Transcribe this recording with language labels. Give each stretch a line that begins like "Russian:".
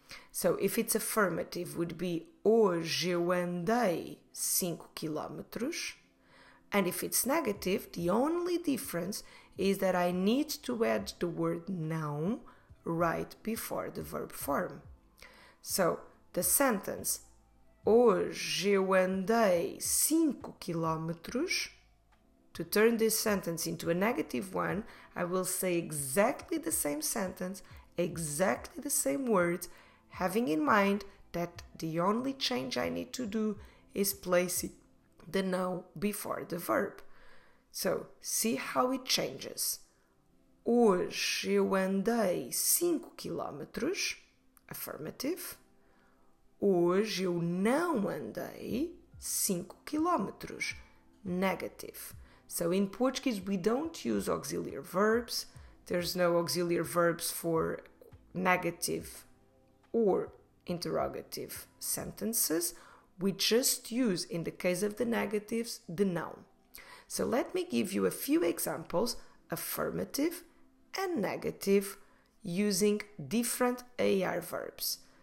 English: So if it's affirmative, would be,
Portuguese: hoje eu andei 5
English: kilometers. And if it's negative, the only difference is that I need to add the word noun right before the verb form. So, the sentence,
Portuguese: hoje eu andei 5 quilómetros. To turn this sentence into a negative one, I will say exactly the same sentence, exactly the same words, having in mind that the only change I need to do is placing the noun before the verb. So, see how it changes. Hoje eu andei 5 quilómetros,
English: affirmative.
Portuguese: Hoje eu não andei 5 quilómetros,
English: negative. So, in Portuguese, we don't use auxiliary verbs. There's no auxiliary verbs for negative or interrogative sentences. We just use, in the case of the negatives, the noun. So, let me give you a few examples, affirmative and negative, using different AR verbs.